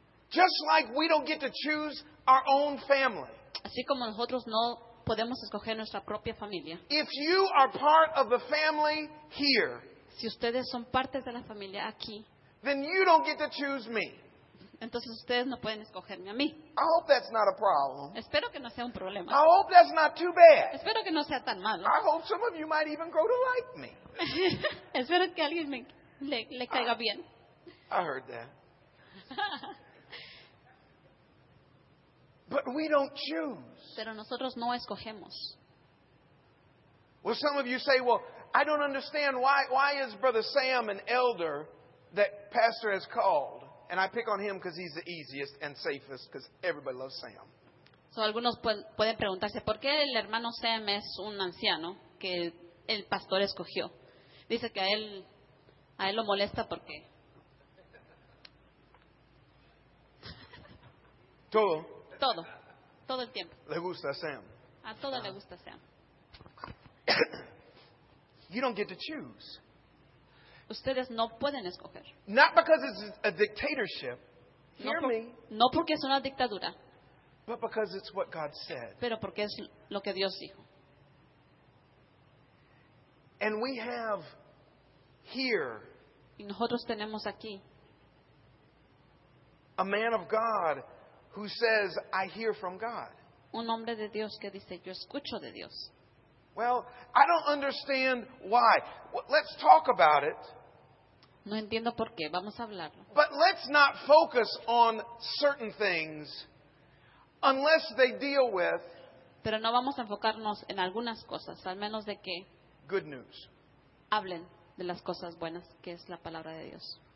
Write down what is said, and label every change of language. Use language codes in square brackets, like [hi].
[en] Just like we don't get to choose our own family. [es] Así como nosotros no podemos escoger nuestra propia familia. [en] If you are part of the family here, [es] si ustedes son parte de la familia aquí, [en] then you don't get to choose me. [es] Entonces ustedes no pueden escogerme a mí. [en] I hope that's not a problem. [es] Espero que no sea un problema. [en] I hope that's not too bad. [es] Espero que no sea tan malo. [en] I hope some of you might even grow to like me. [es] Espero que alguien me le caiga bien. [en] I heard that. But we don't choose. [es] Pero nosotros no escogemos. [en] Well, some of you say, well, I don't understand why is Brother Sam an elder that pastor has called? And I pick on him because he's the easiest and safest because everybody loves Sam. [es] So algunos pueden preguntarse, ¿por qué el hermano Sam es un anciano que el pastor escogió? Dice que a él lo molesta porque... ¿Todo? Todo. Todo el tiempo. Le gusta a Sam. A todo le gusta a Sam. [en] You don't get to choose. [es] Ustedes no pueden escoger. [en] Not because it's a dictatorship. Hear me. [es] No porque es una dictadura. [en] But because it's what God said. [es] Pero porque es lo que Dios dijo. [en] And we have here, [es] y nosotros tenemos aquí, [en] a man of God who says, I hear from God. [es] Un hombre de Dios que dice, yo escucho de Dios. [en] Well, I don't understand why. Let's talk about it. [es] No entiendo por qué. Vamos a hablarlo. [en] But let's not focus on certain things unless they deal with, [es] pero no vamos a enfocarnos en algunas cosas, al menos de que [en] good news. [es] Hablen de las cosas buenas, que es la palabra de Dios.